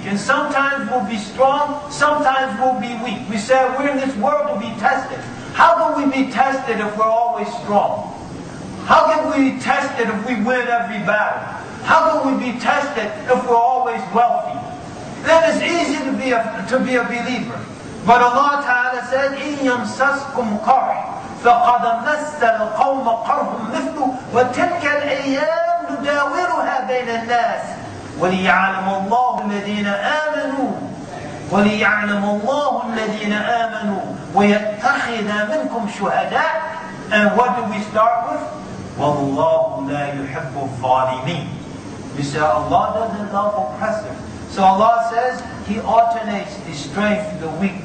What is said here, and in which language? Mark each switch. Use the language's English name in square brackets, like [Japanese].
[English] And sometimes we'll be strong, sometimes we'll be weak. We said we're in this world to be tested. How can we be tested if we're always strong? How can we be tested if we win every battle? How can we be tested if we're always wealthy? Then it's easy to be a believer. But Allah Ta'ala said, [Arabic] إِن يَمْسَسْكُمْ قَرْحٌ فَقَدْ مَسَّ الْقَوْمَ قَرْحٌ مِثْلُ وَتِلْكَ الْأَيَّامُ نُدَاوِلُهَا بَيْنَ النَّاسِ وَلِيَعْلَمَ اللَّهُ الَّذِينَ آمَنُوا وَلِيَعْلَمَ اللَّهُ الَّذِينَ آمَنُوا وَيَتَّخِذَ مِنْكُمْ شُهَدَاءَ. [English] And what do we start with? [Arabic] وَاللَّهُ لَا يُحِبُّ الظَّالِمِينَ. [English] You say, Allah doesn't love oppressors. So Allah says, He alternates the strength, the weakness.